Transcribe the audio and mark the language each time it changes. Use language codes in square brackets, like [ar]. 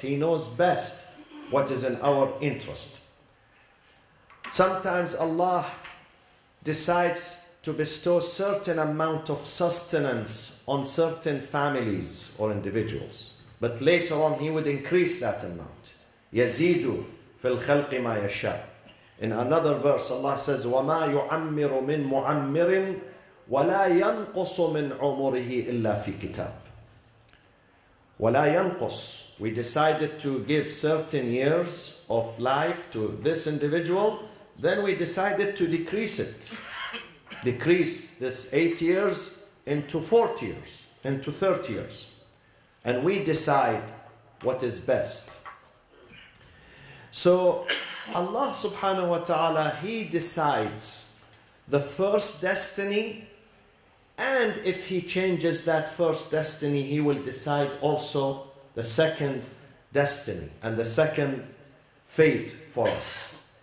[en] He knows best what is in our interest. Sometimes Allah decides to bestow certain amount of sustenance on certain families or individuals. But later on, He would increase that amount. [ar] يَزِيدُ فِي الْخَلْقِ مَا يَشَاءُ. [en] In another verse, Allah says, [ar] وَمَا يُعَمِّرُ مِن مُعَمِّرٍ وَلَا يَنْقُصُ مِنْ عُمُرِهِ إِلَّا فِي كِتَابٍ. وَلَا يَنْقُصُ. [en] We decided to give certain years of life to this individual, then we decided to decrease it. Decrease this 8 years into 40 years, into 30 years. And we decide what is best. So Allah subhanahu wa ta'ala, He decides the first destiny, and if He changes that first destiny, He will decide also the second destiny and the second fate for us.